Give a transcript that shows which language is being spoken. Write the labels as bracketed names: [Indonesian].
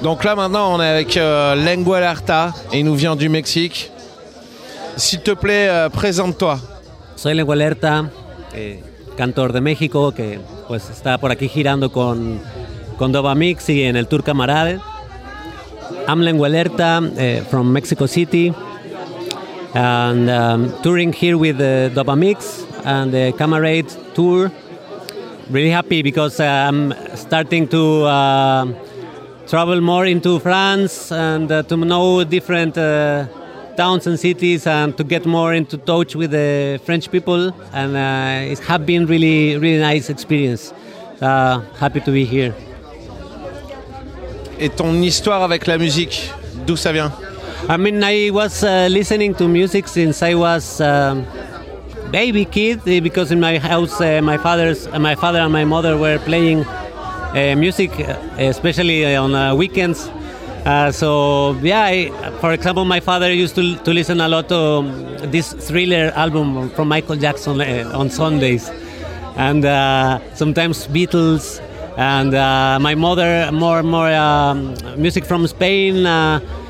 [French] Donc là maintenant on est avec Lengualarta et il nous vient du Mexique. S'il te plaît, présente-toi. [Spanish] Soy Lengualarta, cantor de México que pues está por aquí girando con Dova Mix y en el Tour Camarade. [English] I'm Lengualarta from Mexico City and touring here with the Dova Mix and the Camarade Tour. Really happy because I'm starting to travel more into France and to know different towns and cities and to get more into touch with the French people. And it has been really, really nice experience. Happy to be here. [French] Et ton histoire avec la musique, d'où ça vient? [English] I mean, I was listening to music since I was baby kid, because in my house my father and my mother were playing music, especially on weekends. For example, my father used to listen a lot to this Thriller album from Michael Jackson on Sundays, and sometimes Beatles, and my mother more music from Spain.